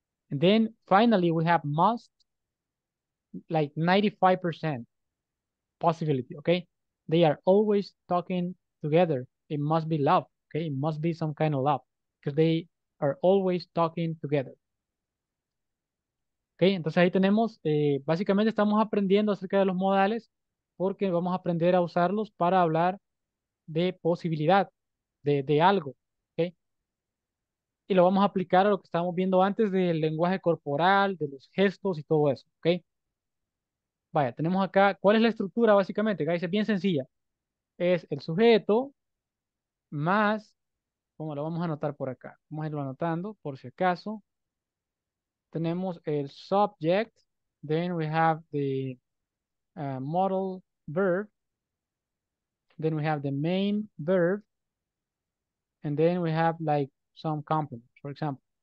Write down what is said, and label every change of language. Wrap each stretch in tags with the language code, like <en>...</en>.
<en>And then finally, we have must, like 95% possibility, okay? They are always talking together. It must be love, okay? It must be some kind of love because they are always talking together.</en> <es>Okay, entonces ahí tenemos, básicamente estamos aprendiendo acerca de los modales porque vamos a aprender a usarlos para hablar de posibilidad, de algo. Y lo vamos a aplicar a lo que estábamos viendo antes del lenguaje corporal, de los gestos y todo eso, ¿ok? Vaya, tenemos acá, ¿cuál es la estructura básicamente? Guys, es bien sencilla. Es el sujeto más, bueno, lo vamos a anotar por acá. Vamos a irlo anotando por si acaso.</es> <en>Tenemos el subject, then we have the modal verb, then we have the main verb, and then we have like some complement, for example.</en>